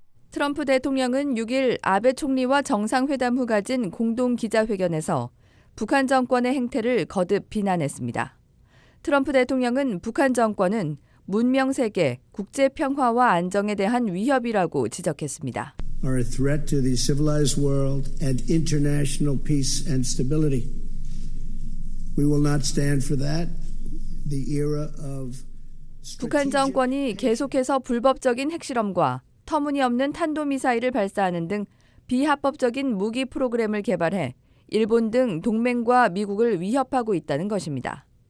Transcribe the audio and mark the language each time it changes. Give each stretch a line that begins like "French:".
Korean: 트럼프 대통령은 6일 아베 총리와 정상회담 후 가진 공동 기자회견에서 북한 정권의 행태를 거듭 비난했습니다. 트럼프 대통령은 북한 정권은 문명세계, 국제평화와 안정에 대한 위협이라고 지적했습니다.
English: Are a threat to the civilized world and international peace and stability. We will not stand for that. The era of
Korean: 북한 정권이 계속해서 불법적인 핵실험과 터무니없는 탄도미사일을 발사하는 등 비합법적인 무기 프로그램을 개발해 일본 등 동맹과 미국을 위협하고 있다는 것입니다.